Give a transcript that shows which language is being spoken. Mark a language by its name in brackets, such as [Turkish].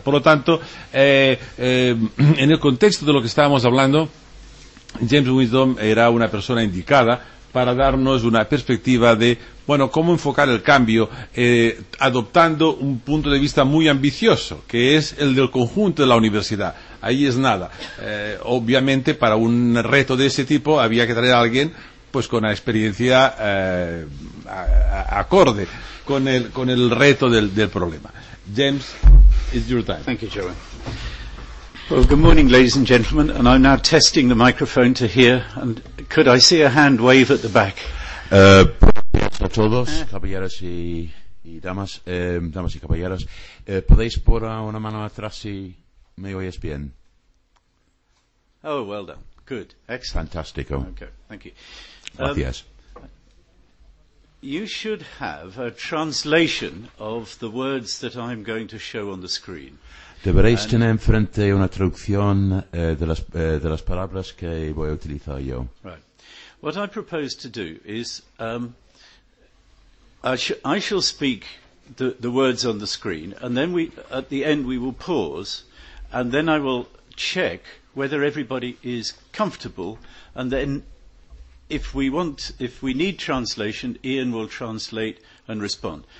[Spanish] Por lo tanto, en el contexto de lo que estábamos hablando, James Wisdom era una persona indicada para darnos una perspectiva de, bueno, cómo enfocar el cambio adoptando un punto de vista muy ambicioso, que es el del conjunto de la universidad. Ahí es nada. Obviamente, para un reto de ese tipo había que traer a alguien pues con la experiencia acorde con el reto del problema. [English] James, it's your time. Thank you, Joey. Well, good morning, ladies and gentlemen, and I'm now testing the microphone to hear, and could I see a hand wave at the back? [Spanish] Buenos días a todos, caballeros y damas, damas y caballeros. ¿Podéis poner una mano atrás si me oyes bien? [English] Oh, well done. Good. Excellent. [Spanish] Fantástico. [English] Okay, thank you. [Spanish] Gracias. [English] You should have a translation of the words that I'm going to show on the screen. [Spanish] Deberéis tener enfrente una traducción de las palabras que voy a utilizar yo. [English] Right. What I propose to do is I shall speak the words on the screen, and then we at the end we will pause, and then I will check whether everybody is comfortable, and then if we need translation, Ian will translate and respond.